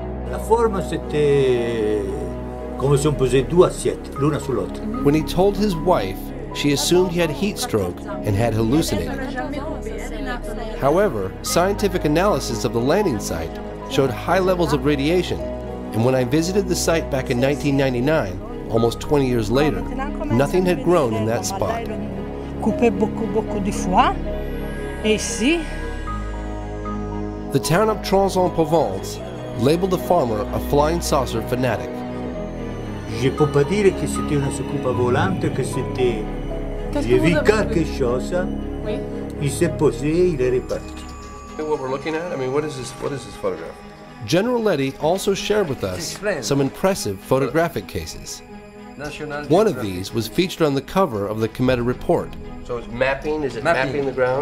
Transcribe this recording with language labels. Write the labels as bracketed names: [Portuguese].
[French] La forma c'était comme si on posait deux assiettes, l'une sur l'autre. [English] When he told his wife, she assumed he had heat stroke and had hallucinated. However, scientific analysis of the landing site showed high levels of radiation, and when I visited the site back in 1999, almost 20 years later, nothing had grown in that spot. [French] Coupé beaucoup, beaucoup de fois. Ici. [English] The town of Trans-en-Provence labeled the farmer a flying saucer fanatic. [French] Je peux pas dire que c'était une soucoupe volante, que c'était. J'ai vu quelque chose. Oui. Il s'est posé, il est reparti. [English] What we're looking at? I mean, what is this photograph? General Leddy also shared with us some impressive photographic cases. One of these was featured on the cover of the Cometa report. So it's mapping, mapping the ground?